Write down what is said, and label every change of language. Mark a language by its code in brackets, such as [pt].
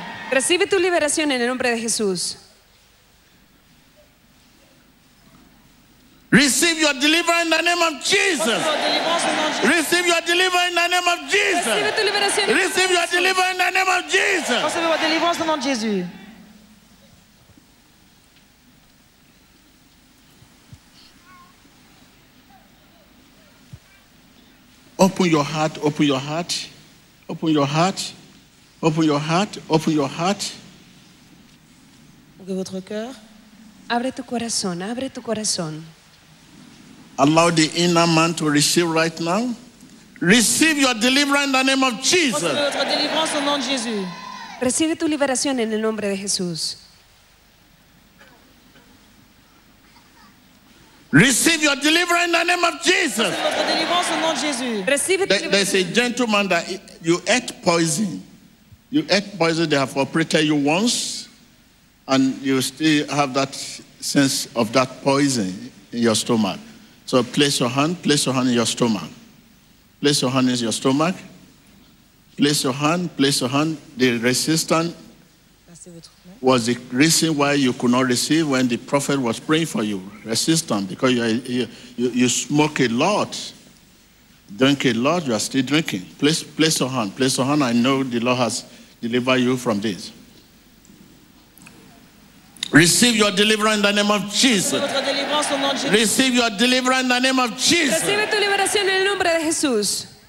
[es] Recibe tu liberación en el nombre de Jesús. [en] Receive your deliverance in the name of Jesus. Receive your deliverance in the name of Jesus. Receive your deliverance in the name of Jesus. your deliverance in the name of Jesus. Open your heart, open your heart, open your heart, open your heart, open your heart. [fr] Ouvre votre cœur. [es] Abre tu corazón, abre tu corazón. [en] Allow the inner man to receive right now. Receive your deliverance in the name of Jesus. [fr] Ouvre votre délivrance au nom de Jésus. [es] Recibe tu liberación en el nombre de Jesús. [en] Receive your deliverance in the name of Jesus. There's a gentleman that you ate poison. You ate poison, they have operated you once, and you still have that sense of that poison in your stomach. So place your hand in your stomach. The resistance was the reason why you could not receive when the prophet was praying for you. Resistance, because you smoke a lot, drink a lot, you are still drinking. Place your hand. I know the Lord has delivered you from this. Receive your deliverance in the name of Jesus. Receive your deliverance in the name of Jesus. [es] Recibe tu liberación en el nombre de Jesús.